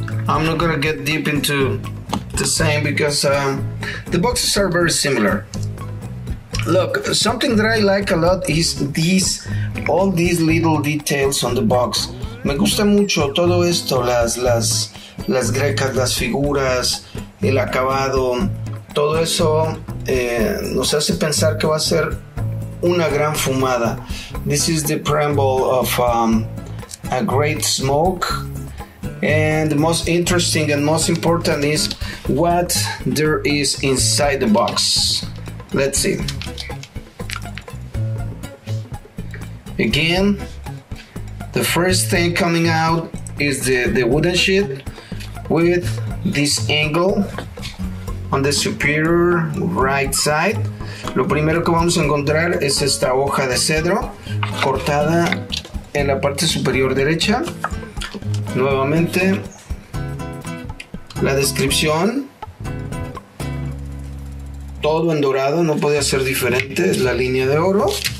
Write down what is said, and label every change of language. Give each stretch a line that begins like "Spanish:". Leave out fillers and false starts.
English: I'm not gonna get deep into the same because the boxes are very similar. Look, something that I like a lot is these, all these little details on the box.
Spanish: Me gusta mucho todo esto, las grecas, las figuras, el acabado, todo eso nos hace pensar que va a ser una gran fumada.
English: This is the preamble of a great smoke. And the most interesting and most important is what there is inside the box. Let's see. Again, the first thing coming out is the wooden sheet with this angle on the superior right side.
Spanish: Lo primero que vamos a encontrar es esta hoja de cedro cortada en la parte superior derecha. Nuevamente, la descripción. Todo en dorado, no podía ser diferente, es la línea de oro.